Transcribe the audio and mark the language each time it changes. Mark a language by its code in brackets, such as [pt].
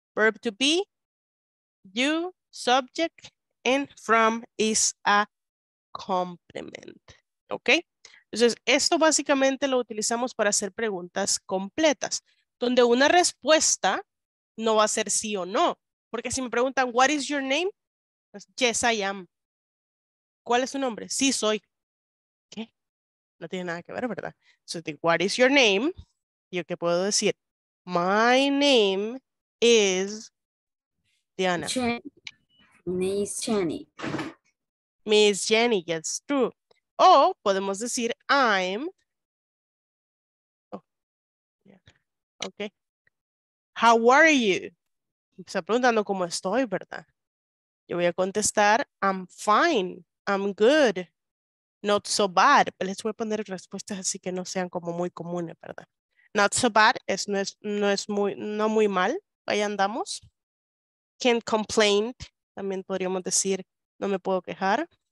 [en] Verb to be, you, subject, and from is a complement. ¿Ok? [es] Entonces, esto básicamente lo utilizamos para hacer preguntas completas, donde una respuesta no va a ser sí o no. Porque si me preguntan, [en] what is your name? Yes, I am. [es] ¿Cuál es tu nombre? Sí, soy. No tiene nada que ver, ¿verdad? [en] So, what is your name? [es] ¿Yo qué puedo decir? [en] My name is Diana. Miss Jenny. Miss Jenny, yes, true. [es] O podemos decir, [en] I'm... Oh. Yeah. Ok. How are you? [es] Está preguntando cómo estoy, ¿verdad? Yo voy a contestar, [en] I'm fine, I'm good. Not so bad. [es] Les voy a poner respuestas así que no sean como muy comunes, ¿verdad? [en] Not so bad [es] es no muy mal. Ahí andamos. [en] Can't complain. [es] También podríamos decir, no me puedo quejar.